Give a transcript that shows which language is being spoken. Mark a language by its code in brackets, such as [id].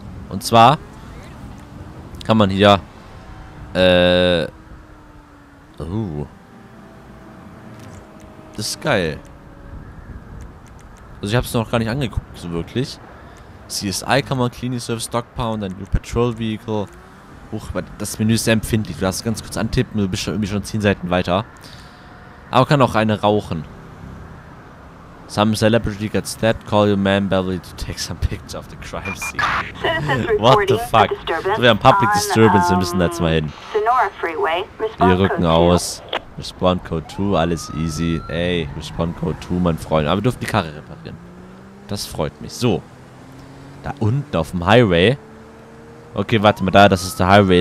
[de] Und zwar kann man hier... Das ist geil. Also ich habe es noch gar nicht angeguckt, so wirklich. CSI kann man, Cleaning Service, Dog Pound, ein New Patrol Vehicle... Huch, das Menü ist sehr empfindlich. Du darfst ganz kurz antippen, du bist schon irgendwie schon 10 Seiten weiter. Aber kann auch eine rauchen. [en] Some celebrity gets dead, call your man Beverly to take some pictures of the crime scene. What the fuck? [de] So, wir haben Public Disturbance, wir müssen da jetzt mal hin. Wir rücken aus. Respond Code 2, alles easy. Ey, Respond Code 2, mein Freund. Aber wir dürfen die Karre reparieren. Das freut mich. So. Da unten auf dem Highway. Okay, warte mal, da, das ist der Highway.